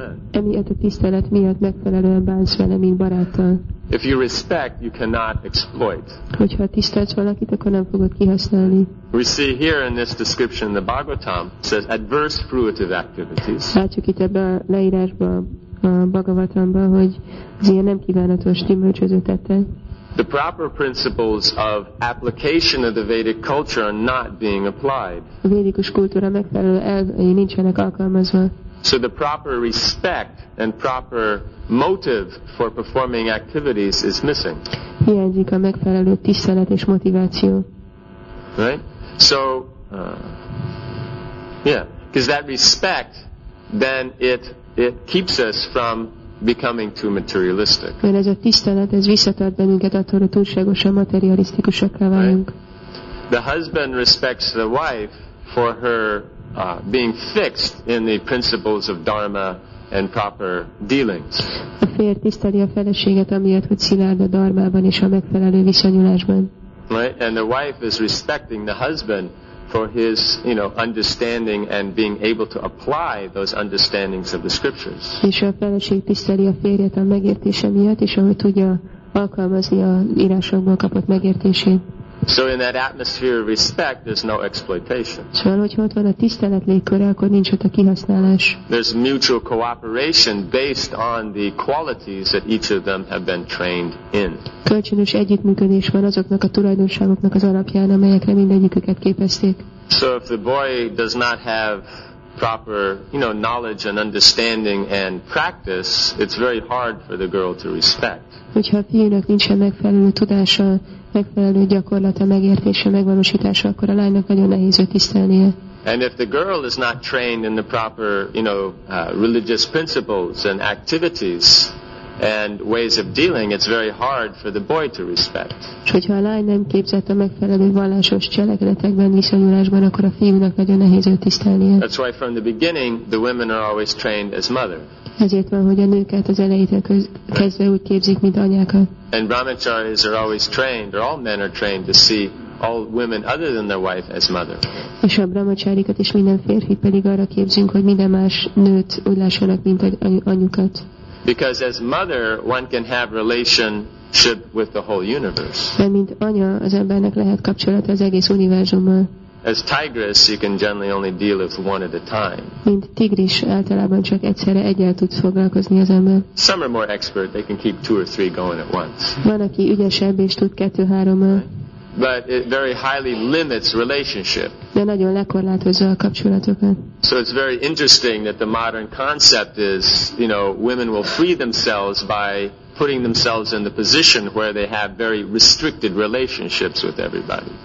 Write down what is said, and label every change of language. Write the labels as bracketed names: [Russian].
[Hungarian] emiatt a tisztelet miatt megfelelően bánsz vele, mint baráttal. [English] If you respect, you cannot exploit. [Hungarian] Hogyha tisztelsz valakit, akkor nem fogod kihasználni. [English] We see here in this description the Bhagavatam says adverse fruitive activities. [Hungarian] Látjuk itt ebben a leírásban, a Bhagavatamban, hogy az ilyen nem kívánatos gyümölcsöző tettek. [English] The proper principles of application of the Vedic culture are not being applied. [Hungarian] A védikus kultúra megfelelő elvei nincsenek alkalmazva. [English] So the proper respect and proper motive for performing activities is missing. [Hungarian] Hiányzik a megfelelő tisztelet és motiváció. [English] Right? So, because that respect, then it keeps us from becoming too materialistic. [Hungarian] Mert ez a tisztelet, ez visszatart bennünket attól, hogy túlságosan materialisztikusokká váljunk. [English] The husband respects the wife for her being fixed in the principles of dharma and proper dealings. [Hungarian] A férj tiszteli a feleséget amiatt, hogy szilárd a dharmában és a megfelelő viszonyulásban. [English] Right? And the wife is respecting the husband for his, you know, understanding and being able to apply those understandings of the scriptures. [Hungarian] És a feleség tiszteli a férjet a megértése miatt, és ahogy tudja alkalmazni az írásokból kapott megértését. [English] So in that atmosphere of respect, there's no exploitation. [Hungarian] Szóval, hogyha ott van a tisztelet légköre, akkor nincs ott a kihasználás. [English] There's mutual cooperation based on the qualities that each of them have been trained in. [Hungarian] Kölcsönös együttműködés van azoknak a tulajdonságoknak az alapján, amelyekre mindegyiküket képezték. [English] So if the boy does not have proper, you know, knowledge and understanding and practice, it's very hard for the girl to respect. [Hungarian] Hogyha a fiúnak nincsen megfelelő tudása, megfelelő gyakorlata, megértése, megvalósítása, akkor a lánynak nagyon nehéz őt tisztelnie. [English] And if the girl is not trained in the proper, you know, religious principles and activities and ways of dealing, it's very hard for the boy to respect. [Hungarian] És hogyha a lány nem képzett a megfelelő vallásos cselekedetekben, viszonyulásban, akkor a fiúnak nagyon nehéz őt tisztelnie. [English] That's why from the beginning the women are always trained as mother. [Hungarian] Ezért van, hogy a nőket az elejétől kezdve úgy képzik, mint anyákat. [English] And brahmacharis are always trained, or all men are trained to see all women other than their wife as mother. [Hungarian] És a brahmacharikat és minden férfit pedig arra képzünk, hogy minden más nőt úgy lássanak, mint anyukat. [English] Because as mother, one can have relationship with the whole universe. [Hungarian] Mert mint anya, az embernek lehet kapcsolata az egész univerzummal. [English] As tigress, you can generally only deal with one at a time. [Hungarian] Mint tigris, általában csak egyszerre egyel tudsz foglalkozni az ember. [English] Some are more expert, they can keep two or three going at once. [Hungarian] Van, aki ügyesebb és tud kettő-hárommal. [English] But it very highly limits relationship. [Hungarian] De nagyon lekorlátozza a kapcsolatokat. [English] So it's very interesting that the modern concept is, you know, women will free themselves by putting themselves in the position where they have very restricted relationships with everybody.